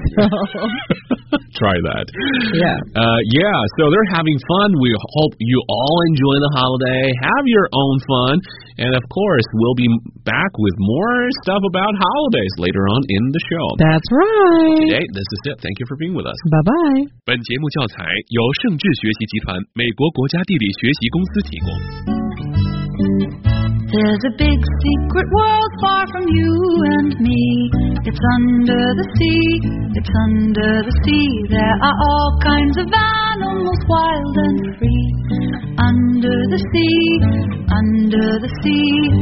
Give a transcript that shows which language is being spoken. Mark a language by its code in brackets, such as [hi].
[en] So. Try that. Yeah. Yeah, so they're having fun. We hope you all enjoy the holiday. Have your own fun. And, of course, we'll be back with more stuff about holidays later on in the show. That's right. Today, this is it. Thank you for being with us. Bye-bye. [zh] 本节目教材由盛智学习集团美国国家地理学习公司提供。 [en] There's a big secret world far from you and me. It's under the sea, it's under the sea. There are all kinds of animals wild and free. Under the sea, under the sea.